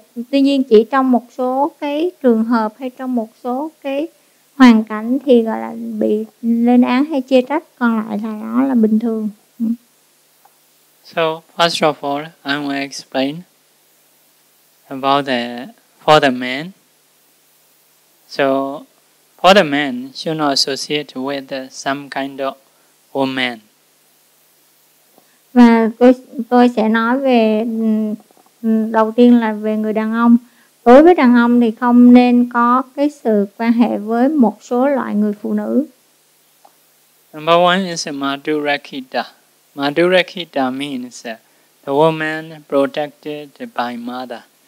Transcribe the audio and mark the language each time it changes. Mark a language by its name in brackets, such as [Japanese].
[Vietnamese] Tuy nhiên chỉ trong một số cái trường hợp hay trong một số cái hoàn cảnh thì gọi là bị lên án hay chê trách, còn lại là nó là bình thường. [English] So first of all, I will explain about the for the man. So for the man should not associate with some kind of woman. [Vietnamese] Và tôi sẽ nói về đầu tiên là về người đàn ông. Đối với đàn ông thì không nên có cái sự quan hệ với một số loại người phụ nữ. [English] Number one is Madhurakita. Madhurakita means the woman protected by mother.